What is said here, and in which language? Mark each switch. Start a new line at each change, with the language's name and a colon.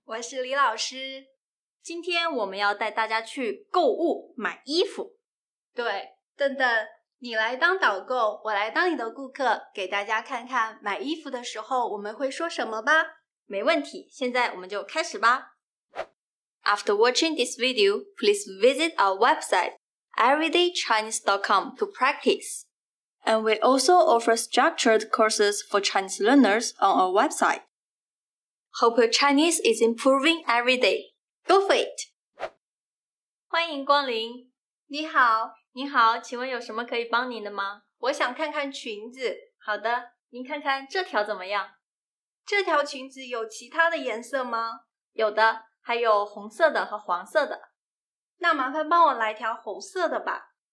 Chinese: 我是李老师。今天我们要带大家去购物买衣服。对，邓邓，你来当导购，我来当你的顾客，给大家看看买衣服的时候我们会说什么吧。没问题，现在我们就开始吧。
English: After watching this video, please visit our website everydaychinese.com to practice. And we also offer structured courses for Chinese learners on our website. Hope your Chinese is improving every day. Go for it!
Chinese: 欢迎光临。你好。你好，请问有什么可以帮您的吗？我想看看裙子。好的，您看看这条怎么样？这条裙子有其他的颜色吗？有的，还有红色的和黄色的。那麻烦帮我来条红色的吧。